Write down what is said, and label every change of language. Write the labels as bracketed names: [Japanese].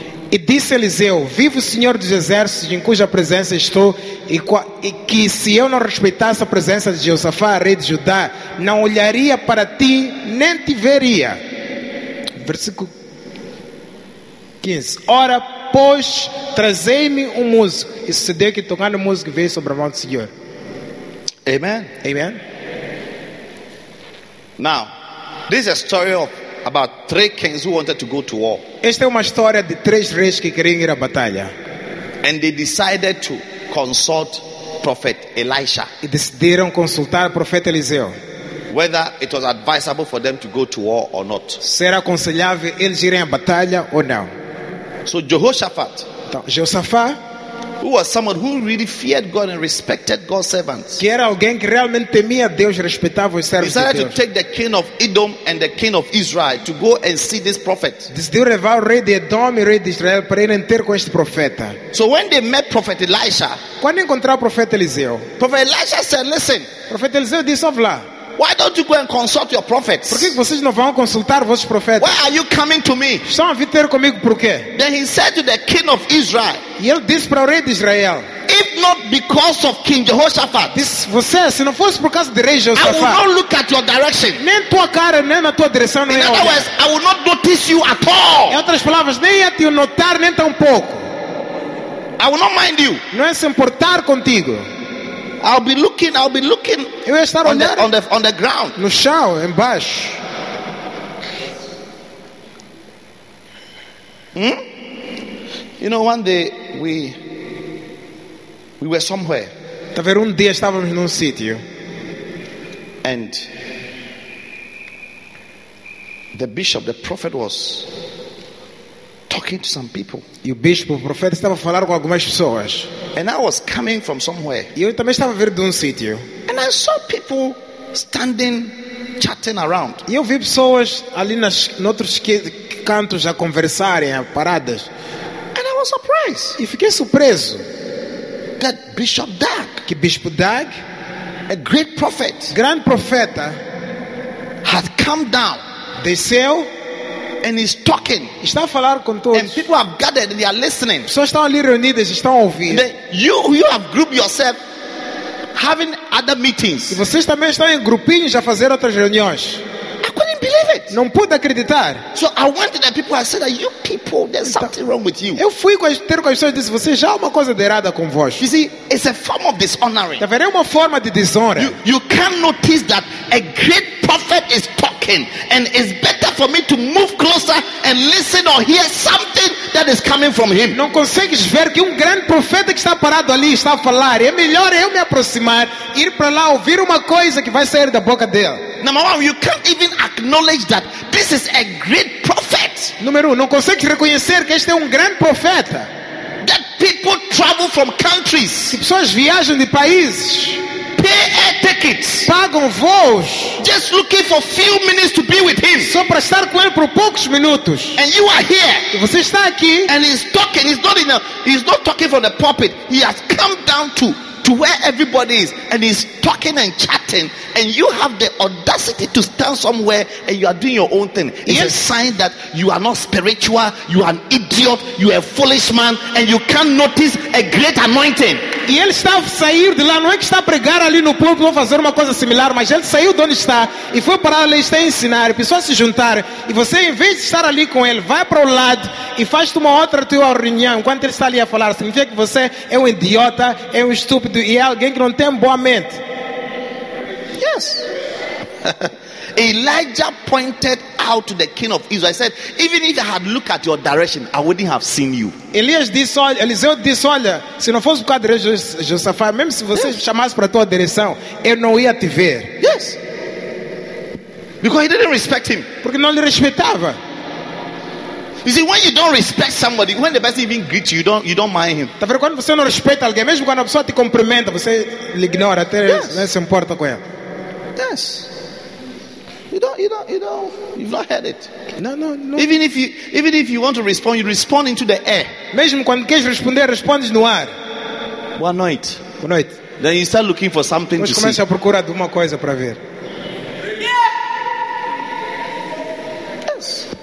[Portuguese] E disse Eliseu: vivo o Senhor dos exércitos em cuja presença estou, e que se eu não respeitasse a presença de Josafá, rei de Judá, não olharia para ti nem te veria. Versículo 15. Ora, pois, trazei-me um músico. E sucedeu que tocando o músico veio sobre a mão do Senhor. Amen. Amen. [English] Now, this is a story of about three kings who wanted to go to war. [Portuguese] Esta é uma história de três reis que queriam ir à batalha. [English] And they decided to consult prophet Elisha. [Portuguese] E decidiram consultar o profeta Eliseu. [English] Whether it was advisable for them to go to war or not. [Portuguese] Será aconselhável eles irem à batalha ou não? [English] So Jehoshaphat, [Portuguese] então, Josafá, [English] who was someone who really feared God and respected God's servants, [Portuguese] que era alguém que realmente temia Deus, respeitava os servos de Deus, [English] decided to take the king of Edom and the king of Israel to go and see this prophet. [Portuguese] Decidiu levar o rei de Edom e o rei de Israel para irem ter com este profeta. [English] So when they met prophet Elisha, [Portuguese] quando encontraram o profeta Eliseu, [English] prophet Elisha said, listen, [Portuguese] profeta Eliseu disse: ouve lá. [English] Why don't you go and consult your prophets? [Portuguese] Por que vocês não vão consultar vossos profetas? [English] Why are you coming to me? [Portuguese] Estão a vir ter comigo por quê? [English] Then he said to the king of Israel. [Portuguese] E ele disse para o rei de Israel: [English] if not because of King Jehoshaphat, [Portuguese] this você, se não fosse por causa do rei Josafá, [English] I will not look at your direction. [Portuguese] Nem tua cara, nem na tua direção. [English] In other words, I will not notice you at all. [Portuguese] Em outras palavras, nem ia te notar nem tão pouco. [English] I will not mind you. [Portuguese] Não ia se importar contigo. [English] I'll be looking [Portuguese] eu ia estar olhando [English] on the ground. [Portuguese] No chão, embaixo. [English] You know, one day we were somewhere. [Portuguese] Tá vendo, um dia estávamos num sítio. [English] And the bishop, the prophet was talking to some people. [Portuguese] E o bispo, o profeta, estava a falar com algumas pessoas. [English] And I was coming from somewhere. [Portuguese] E eu também estava a vir de um sítio. [English] And I saw people standing, chatting around. [Portuguese] E eu vi pessoas ali nas noutros cantos a conversarem, a paradas. [English] And I was surprised. [Portuguese] E fiquei surpreso. [English] That Bishop Doug, [Portuguese] que Bispo Doug, [English] a great prophet, [Portuguese] grande profeta, [English] had come down. [Portuguese] Desceu. [English] And he's talking. [Portuguese] Está a falar com todos. [English] And people have gathered and they are listening. [Portuguese] Pessoas estão ali reunidas, estão a ouvir. [English] You have grouped yourself having other meetings. [Portuguese] E vocês também estão em grupinhos a fazer outras reuniões. [English] I couldn't believe it. [Portuguese] Não pude acreditar. [English] So I went to the people and said, you people, there's something wrong with you. [Portuguese] Eu fui ter com as pessoas e disse: vocês, já há uma coisa de errada com vós. [English] You see, it's a form of dishonoring. [Portuguese] Tá vendo? É uma forma de desonra. [English] You can't notice that a great prophet is talking and it's better for me to move closer and listen or hear something that is coming from him. [Portuguese] Não consegues ver que grande profeta que está parado ali está a falar. É melhor eu me aproximar, ir para lá ouvir uma coisa que vai sair da boca dele. [English] Number one, you can't even acknowledge that this is a great prophet. [Portuguese] Número um, não consegues reconhecer que este é grande profeta. [English] That people travel from countries. [Portuguese] Que pessoas viajam de países. [English] Pay air tickets. [Portuguese] Pagam voos. [English] Just looking for few minutes to be with him. [Portuguese] Só para estar com ele por poucos minutos. [English] And you are here. [Portuguese] E você está aqui. [English] And he's talking. He's not talking from the pulpit. He has come down to to where everybody is and he's talking and chatting, and you have the audacity to stand somewhere and you are doing your own thing. It's a sign that you are not spiritual, you are an idiot, you are a foolish man, and you can't notice a great anointing. [Portuguese] E ele está a sair de lá, não é que está a pregar ali no púlpito ou fazer uma coisa similar, mas ele saiu de onde está e foi para ali, está a ensinar, e pessoas se juntaram, e você, em vez de estar ali com ele, vai para o lado e faz uma outra tua reunião enquanto ele está ali a falar. Significa que você é um idiota, é um estúpido e é alguém que não tem boa mente. [English] Yes. Elijah pointed out to the king of Israel. I said, even if I had looked at your direction, I wouldn't have seen you. [Portuguese] Elias disse, olha, Eliseu disse, olha, se não fosse por causa de Josafá, mesmo se você chamasse para a tua direção, eu não ia te ver. [English] Yes. Because he didn't respect him. [Portuguese] Porque não lhe respeitava. [English] You see, when you don't respect somebody, when the person even greets you, you don't mind him. [Portuguese] Tá vendo, quando você não respeita alguém, mesmo quando a pessoa te cumprimenta, você lhe ignora, até não se importa com ela. [English] Yes. You don't. You've not heard it. No. Even if you want to respond, you respond into the air. [Portuguese] Mesmo quando queres responder, respondes no ar. Boa noite. [English] Then you start looking for something to see. [Portuguese] Começa a procurar alguma coisa para ver. [English] Yes.